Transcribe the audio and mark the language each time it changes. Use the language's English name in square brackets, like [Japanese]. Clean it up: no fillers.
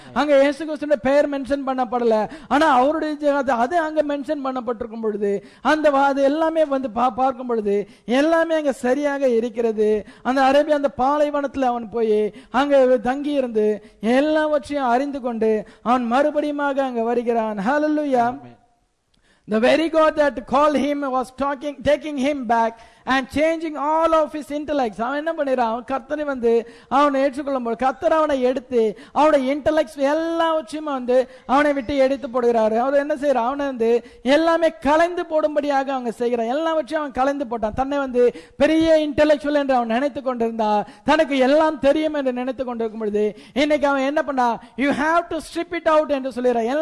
[Tamil] அங்க இயேசு கிறிஸ்துவின் பெயர் மென்ஷன் பண்ணப்படல, ஆனா அவருடைய அது அங்க மென்ஷன் பண்ணப்பட்டிருக்கும் பொழுது அந்த எல்லாமே வந்து பார்க்கும் பொழுது எல்லாமே அங்க சரியாக இருக்கிறது. அந்த அரேபிய அந்த பாலைவனத்தில் அவன் போய் அங்க தங்கி இருந்து எல்லாவற்றையும் அறிந்து கொண்டு அவன் மறுபடியும் அங்க வருகிறான். ஹல்லேலூயா. [English] The very God that called him was talking, taking him back and changing all of his intellects. [Tamil] அவன் என்ன பண்ணிறான், கர்த்தரை வந்து அவனை ஏற்றுக்கொள்ளும் போது கர்த்தர் அவனை எடுத்து அவனுடைய இன்டலெக்ட்ஸ் எல்லாவற்றையும் வந்து அவனை விட்டு எடுத்து போடுகிறாரு. அவர் என்ன செய்யறார், அவனை வந்து எல்லாமே கலைந்து போடும்படியாக அவங்க செய்கிறான். எல்லாவற்றையும் அவன் கலைந்து போட்டான். தன்னை வந்து பெரிய இன்டலெக்சுவல் என்று அவன் நினைத்து கொண்டிருந்தா, தனக்கு எல்லாம் தெரியும் என்று நினைத்து கொண்டிருக்கும் பொழுது இன்னைக்கு அவன் என்ன பண்ணா, [English] you have to strip it out [Tamil] என்று சொல்லிடுறான்.